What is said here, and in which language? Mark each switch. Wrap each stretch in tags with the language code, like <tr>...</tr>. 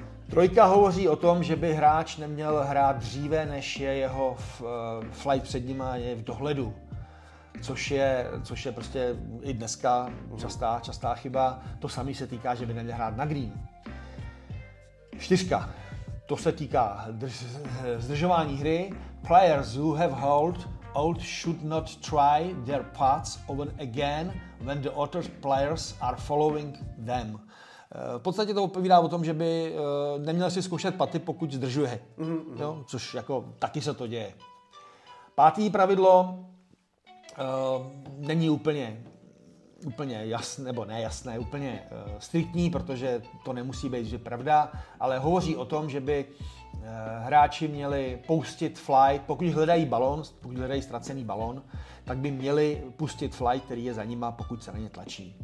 <cs>Trojka hovoří o tom, že by hráč neměl hrát dříve, než je jeho flight před ním je v dohledu. Což je prostě i dneska častá chyba. To samé se týká, že by neměl hrát na green. Čtyřka. To se týká zdržování hry.</cs> <en>Players who have hold out should not try their putts over again when the other players are following them.</en> <cs>V podstatě to opovídá o tom, že by neměl si zkoušet paty, pokud zdržuje. Mm-hmm. Jo? Což jako taky se to děje. Pátý pravidlo. Není úplně jasné, nebo nejasné, úplně striktní, protože to nemusí být, že pravda, ale hovoří o tom, že by hráči měli pustit flight, pokud hledají balón, pokud hledají ztracený balón, tak by měli pustit flight, který je za nima, pokud se na ně tlačí.</cs>